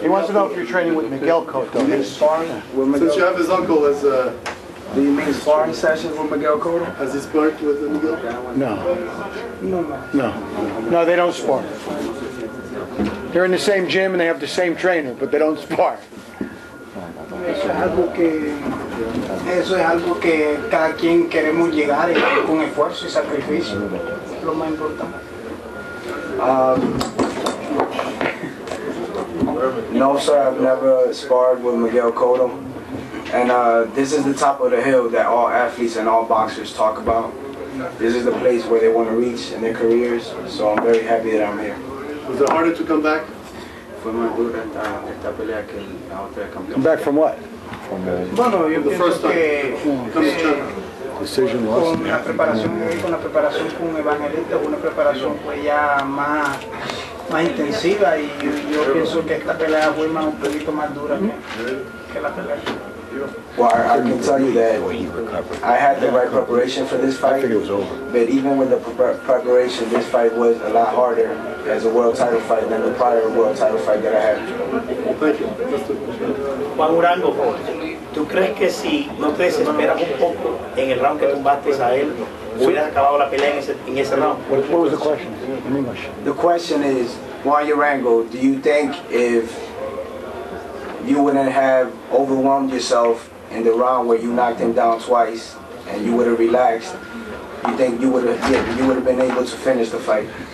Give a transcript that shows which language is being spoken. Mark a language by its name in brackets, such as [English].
[English] He wants to know if you're training with Miguel Cotto. Since you have his uncle as a... Do you mean sparring sessions with Miguel Cotto? Has he sparred with Miguel? No. They don't spar. They're in the same gym and they have the same trainer, but they don't spar. [Spanish] Eso es algo que cada quien queremos llegar con esfuerzo y sacrificio. Lo más importante. [English] No, sir. I've never sparred with Miguel Cotto. And this is the top of the hill that all athletes and all boxers talk about. This is the place where they want to reach in their careers. So I'm very happy that I'm here. Was it harder to come back? Come back from what? From the first time. Come to China. Decision lost. [Spanish] Con la preparación con Evangelista, una preparación fue ya más intensiva, y yo pienso que esta pelea fue más un poquito más dura que la pelea. [English] Well, I can tell you that I had the right preparation for this fight. I think it was over. But even with the preparation, this fight was a lot harder as a world title fight than the prior world title fight that I had. [Spanish] Juan Urango, ¿tú crees que si no te desesperas un poco en el round que tumbaste a él, hubieras acabado la pelea en ese round? [English] What was the question? In English. The question is, Juan Urango, do you think if you wouldn't have overwhelmed yourself in the round where you knocked him down twice and you would have relaxed, you think you would have been able to finish the fight?